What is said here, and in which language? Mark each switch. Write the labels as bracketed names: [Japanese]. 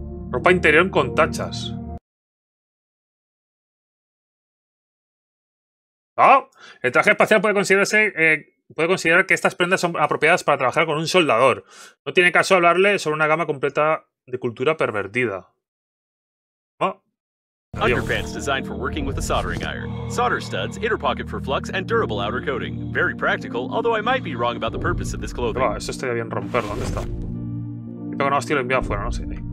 [Spanish] ropa interior con tachas. ¡Oh! El traje espacial puede considerarse puede considerar que estas prendas son apropiadas para trabajar con un soldador. No tiene caso hablarle sobre una gama completa de cultura pervertida. ¿Oh? [English] Underpants designed for working with a soldering iron. Solder studs, inner pocket for flux and durable outer coating. Very practical, although I might be wrong about the purpose of this clothing. [Spanish] Pero, eso estaría bien romperlo, ¿dónde está? Pero no, hostia, lo he enviado afuera, no sé.